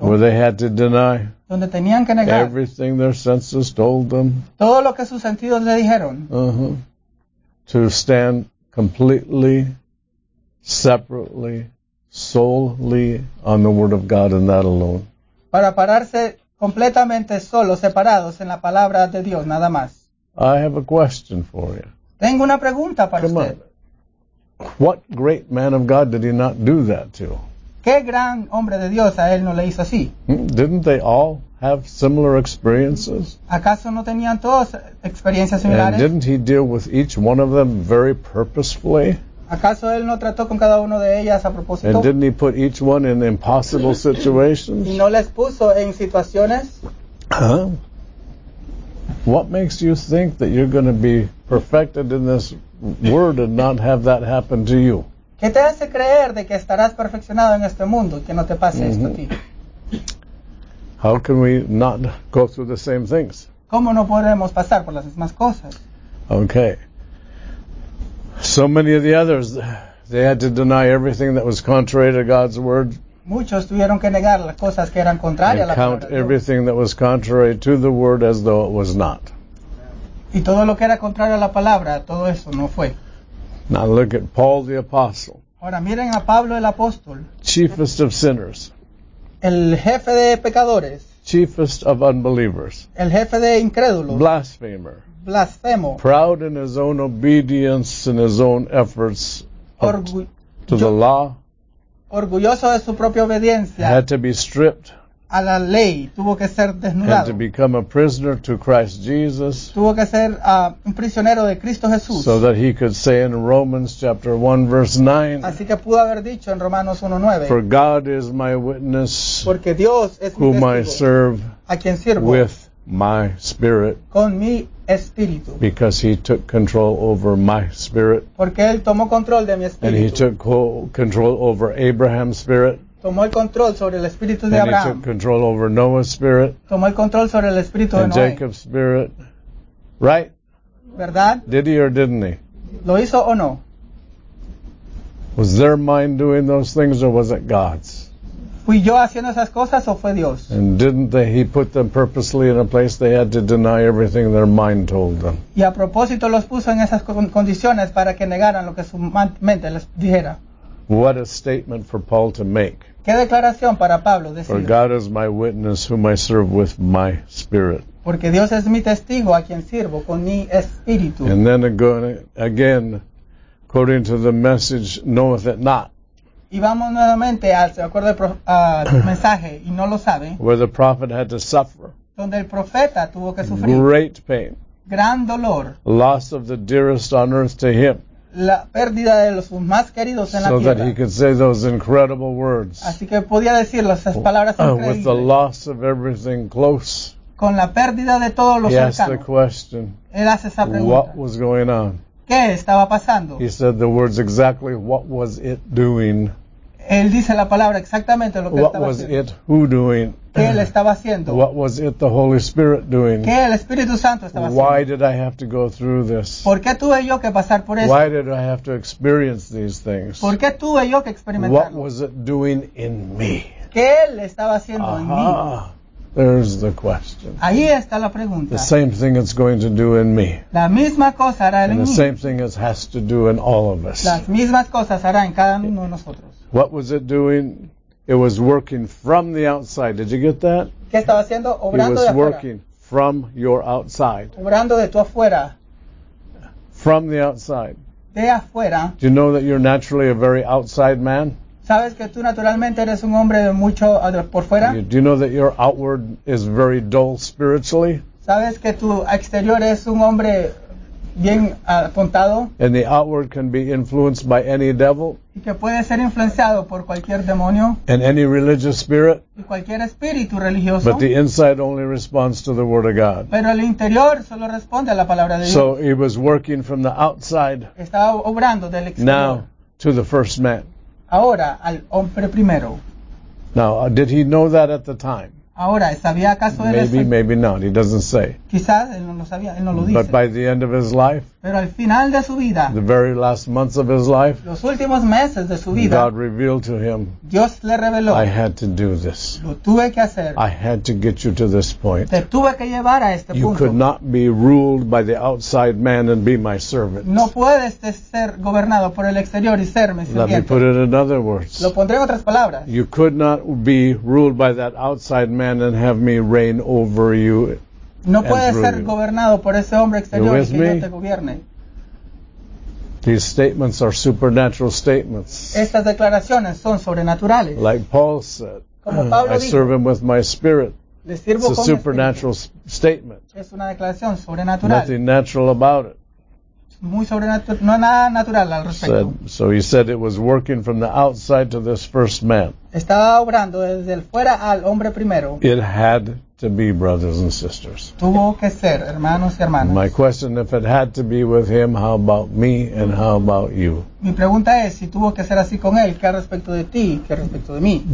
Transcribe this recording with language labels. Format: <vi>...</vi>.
<en>Where they had to deny.</en> <es>Donde tenían que negar.</es> <en>Everything their senses told them.</en> <es>Todo lo que sus sentidos le dijeron.</es> <en>To stand completely, separately, solely on the word of God and that alone.</en> <es>Para pararse completamente solos, separados en la palabra de Dios, nada más.</es> <en>I have a question for you.</en> <es>Tengo una pregunta para</es> <en>Come</en> <es>usted.</es> <en>On. What great man of God did he not do that to?</en> <es>¿Qué gran hombre de Dios a él no le hizo así?</es> <en>Didn't they all have similar experiences?</en> <es>¿Acaso no tenían todos experiencias similares?</es> <en>And didn't he deal with each one of them very purposefully?</en> <es>¿Acaso él no trató con cada uno de ellas a propósito?</es> <en>And didn't he put each one in impossible situations?</en> <es>¿Y no les puso en situaciones?</es> <en>What makes you think that you're going to be perfected in this word and not have that happen to you?</en> <es>¿Qué te hace creer de que estarás perfeccionado en este mundo y que no te pase esto a ti?</es> <en>How can we not go through the same things?</en> <es>¿Cómo no podemos pasar por las mismas cosas?</es> <en>Okay. So many of the others, they had to deny everything that was contrary to God's word.</en> <es>Muchos tuvieron que negar las cosas que eran contrarias a la palabra.</es> <en>Count everything that was contrary to the word as though it was not.</en> <es>Y todo lo que era contrario a la palabra, todo eso no fue.</es> <en>Now look at Paul the apostle.</en> <es>Ahora miren a Pablo el apóstol.</es> <en>Chiefest of sinners.</en> <es>El jefe de pecadores.</es> <en>Chiefest of unbelievers.</en> <es>El jefe de incrédulos.</es> <en>Blasphemer.</en> <es>Blasfemo.</es> <en>Proud in his own obedience and his own efforts to the law.</en> <es>orgulloso de su propia obediencia.</es> <en>Had to be stripped.</en> <es>A la ley, tuvo que ser desnudado.</es> <en>Had to become a prisoner to Christ Jesus.</en> <es>Tuvo que ser un prisionero de Cristo Jesús.</es> <en>So that he could say in Romans chapter 1 verse 9.</en> <es>Así que pudo haber dicho en Romanos 1:9.</es> <en>For God is my witness.</en> <es>Porque Dios es mi testigo.</es> <en>Whom I serve.</en> <es>A quien sirvo.</es> <en>With my spirit.</en> <es>Con mi espíritu.</es> <en>Because he took control over my spirit.</en> <es>Porque él tomó control de mi espíritu.</es> <en>And he took control over Abraham's spirit.</en> <es>Tomó el control sobre el espíritu de Abraham.</es> <en>And he took control over Noah's spirit.</en> <es>Tomó el control sobre el espíritu de Noé.</es> <en>Jacob's spirit. Right?</en> <es>¿Verdad?</es> <en>Did he or didn't he?</en> <es>¿Lo hizo o no?</es> <en>Was their mind doing those things or was it God's?</en> <es>¿Fui yo haciendo esas cosas o fue Dios?</es> <en>And didn't they, he put them purposely in a place they had to deny everything their mind told them?</en> <es>Y a propósito los puso en esas condiciones para que negaran lo que su mente les dijera.</es> <en>What a statement for Paul to make.</en> <es>¿Qué declaración para Pablo decir?</es> <en>For God is my witness whom I serve with my spirit.</en> <es>Porque Dios es mi testigo a quien sirvo con mi espíritu.</es> <en>And then again, according to the message, knoweth it not.</en> <es>Y vamos nuevamente al acuerdo al mensaje y no lo sabe.</es> <en>Where the prophet had to suffer.</en> <es>Donde el profeta tuvo que sufrir.</es> <en>Great pain.</en> <es>Gran dolor.</es> <en>Loss of the dearest on earth to him.</en> <es>La pérdida de los más queridos en</es> <en>so</en> <es>la tierra.</es> <en>So that he could say those incredible words.</en> <es>Así que podía decir esas palabras increíbles.</es> <en>With the loss of everything close.</en> <es>Con la pérdida de todos los cercanos.</es> <en>He asked the question.</en> <es>Él hace esa pregunta.</es> <en>What was going on?</en> <es>¿Qué estaba pasando?</es> <en>He said the words exactly, what was it doing?</en> <es>Él dice la palabra exactamente lo que</es> <en>what</en> <es>estaba haciendo.</es> <en>What was it who doing?</en> <es>¿Qué él estaba haciendo?</es> <en>What was it the Holy Spirit doing?</en> <es>¿Qué el Espíritu Santo estaba haciendo?</es> <en>Why did I have to go through this?</en> <es>¿Por qué tuve yo que pasar por eso?</es> <en>Why did I have to experience these things?</en> <es>¿Por qué tuve yo que experimentarlo?</es> <en>What was it doing in me?</en> <es>¿Qué él estaba haciendo en mí?</es> <en>There's the question.</en> <es>Ahí está la pregunta.</es> <en>The same thing it's going to do in me.</en> <es>La misma cosa hará en</es> <en>and</en> <es>mí.</es> <en>The same thing it has to do in all of us.</en> <es>Las mismas cosas hará en cada uno de nosotros.</es> <en>What was it doing? It was working from the outside. Did you get that?</en> <es>¿Qué estaba haciendo? Obrando</es> <en>it was</en> <es>de</es> <en>working</en> <es>afuera.</es> <en>From your outside.</en> <es>Obrando de tu afuera.</es> <en>From the outside.</en> <es>De afuera.</es> <en>Do you know that you're naturally a very outside man?</en> <es>¿Sabes que tú naturalmente eres un hombre de mucho por fuera?</es> <en>Do you know that your outward is very dull spiritually?</en> <es>¿Sabes que tu exterior es un hombre bien apuntado?</es> <en>And the outward can be influenced by any devil?</en> <es>Y que puede ser influenciado por cualquier demonio?</es> <en>And any religious spirit?</en> <es>Y cualquier espíritu religioso?</es> <en>But the inside only responds to the word of God.</en> <es>Pero el interior solo responde a la palabra de Dios.</es> <en>So he was working from the outside.</en> <es>Estaba obrando del exterior.</es> <en>Now to the first man.</en> <es>Ahora, al hombre primero.</es> <en>Now, did he know that at the time?</en> <es>Ahora, ¿sabía acaso él</es> <en>maybe,</en> <es>eso?</es> <en>Maybe not. He doesn't say.</en> <es>Quizás él no lo sabía, él no lo dice.</es> <en>But by the end of his life,</en> <es>pero al final de su vida,</es> <en>the very last months of his life,</en> <es>los últimos meses de su vida,</es> <en>God revealed to him,</en> <es>Dios le reveló,</es> <en>I had to do this.</en> <es>Lo tuve que hacer.</es> <en>I had to get you to this point.</en> <es>Te tuve que llevar a este</es> <en>you</en> <es>punto.</es> <en>Could not be ruled by the outside man and be my servant.</en> <es>No puedes ser gobernado por el exterior y ser mi</es> <en>Let</en> <es>sirviente.</es> <en>Me put it in other words.</en> <es>Lo pondré en otras palabras.</es> <en>You could not be ruled by that outside man and have me reign over you.</en> <es>No puede ser gobernado por ese hombre exterior y que yo te gobierne.</es> <en>These statements are supernatural statements.</en> <es>Estas declaraciones son sobrenaturales.</es> <en>Like Paul said,</en> <es>como Pablo</es> <en>I</en> <es>dijo,</es> <en>serve him with my spirit.</en> <es>Le sirvo</es> <en>it's</en> <es>con</es> <en>a supernatural</en> <es>espíritu.</es> <en>Statement.</en> <es>Es una declaración sobrenatural.</es> <en>Nothing natural about it.</en> <es>Muy sobrenatural, no nada natural al respecto.</es> <en>Said, so he said it was working from the outside to this first man.</en> <es>Estaba obrando desde el fuera al hombre primero.</es> <en>It had to be, brothers and sisters.</en> <es>Tuvo que ser, hermanos y hermanas.</es> <en>My question, if it had to be with him, how about me and how about you?</en> <es>Mi pregunta es, si tuvo que ser así con él, ¿qué respecto de ti, qué respecto de mí?</es>